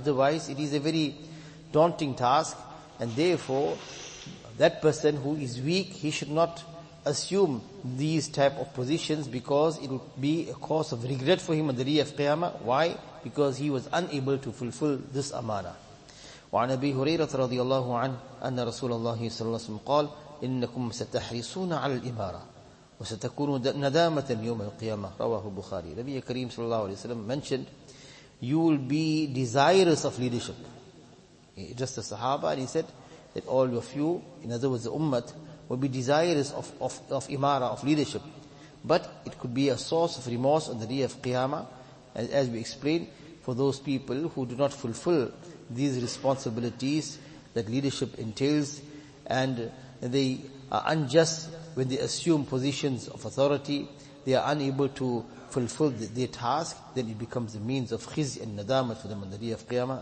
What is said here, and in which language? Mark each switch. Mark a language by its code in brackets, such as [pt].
[en] Otherwise, it is a very daunting task, and therefore, that person who is weak, he should not assume these type of positions because it would be a cause of regret for him on the day of Qiyamah. Why? Because he was unable to fulfill this amana. [ar] وعن أبي هريرة رضي الله عنه أن رسول الله صلى الله عليه وسلم قال إنكم ستحرصون على الإمارة وستكون ندامة يوم القيامة رواه البخاري. نبي كريم صلى الله عليه وسلم [en] mentioned you will be desirous of leadership. Just the Sahaba, and he said that all of you, in other words the Ummah, will be desirous of imara, of leadership. But it could be a source of remorse on the day of Qiyamah, as we explained, for those people who do not fulfill these responsibilities that leadership entails, and they are unjust when they assume positions of authority, they are unable to fulfill their task, then it becomes a means of khizy and nadamah for them on the day of Qiyamah.